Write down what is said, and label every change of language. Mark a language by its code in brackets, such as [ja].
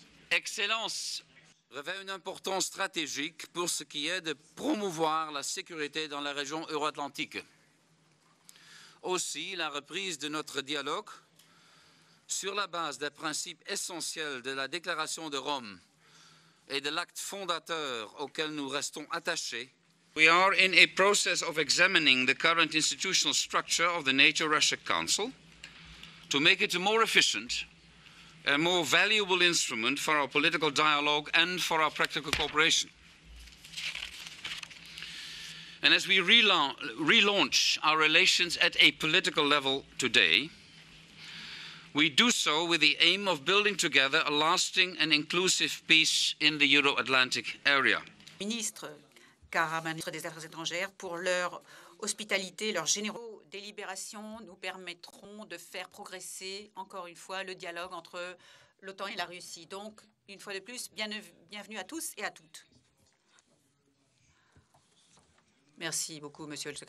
[fr] Excellence revêt une importance stratégique pour ce qui est de promouvoir la sécurité dans la région euro-atlantique. Aussi, la reprise de notre dialogue sur la base des principes essentiels de la Déclaration de Rome et de l'acte fondateur auquel nous restons attachés. [en] We are in a process of examining the current institutional structure of the NATO-Russia Council to make it a more efficient and more valuable instrument for our political dialogue and for our practical cooperation. And as we relaunch our relations at a political level today, we do so with the aim of building together a lasting and inclusive peace in the Euro-Atlantic area. [fr] Ministre, car ministre des Affaires étrangères, pour leur hospitalité, leur généreuse délibération, nous permettront de faire progresser encore une fois le dialogue entre l'OTAN et la Russie. Donc, une fois de plus, bienvenue à tous et à toutes. Merci beaucoup, Monsieur le Secrétaire.